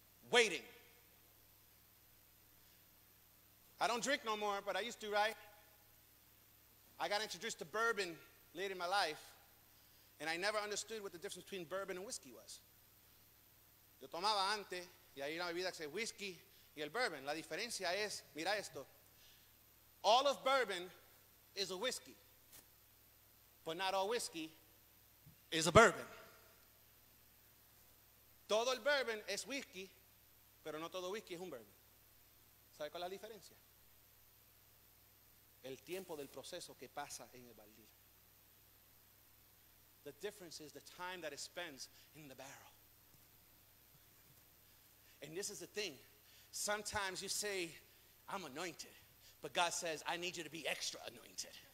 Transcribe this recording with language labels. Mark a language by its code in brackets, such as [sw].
[en] Waiting. I don't drink no more, but I used to, right? I got introduced to bourbon late in my life, and I never understood what the difference between bourbon and whiskey was. [es] Yo tomaba antes, y hay una bebida que se llama whiskey y el bourbon. La diferencia es, mira esto. [en] All of bourbon is a whiskey, but not all whiskey is a bourbon. [es] Todo el bourbon es whiskey, pero no todo whiskey es un bourbon. ¿Sabe cuál es la diferencia? El tiempo del proceso que pasa en el barril. [en] The difference is the time that it spends in the barrel. And this is the thing. Sometimes you say, I'm anointed. But God says, I need you to be extra anointed.